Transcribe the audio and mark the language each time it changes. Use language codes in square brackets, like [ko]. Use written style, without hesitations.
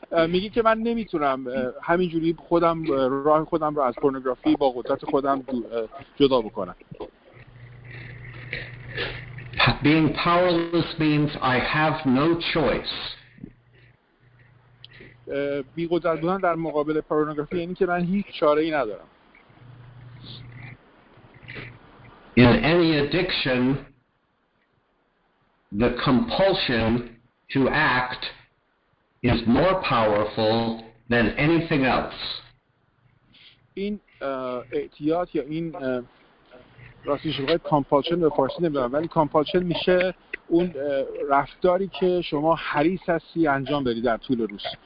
[fa] میگه که من نمیتونم همینجوری خودم راه خودم رو از پورنوگرافی با قدرت خودم جدا بکنم. [en] Being powerless means I have no choice. [fa] بی قدرت بودن در مقابل پورنوگرافی یعنی که من هیچ چاره ای ندارم. [en] In any addiction, the compulsion to act is more powerful than anything else. [fa] این اعتیاد یا این راستش رو باید کامپالشن به فارسی نمیدونم، ولی کامپالشن میشه اون رفتاری که شما حریص هستی انجام بدی در طول روز.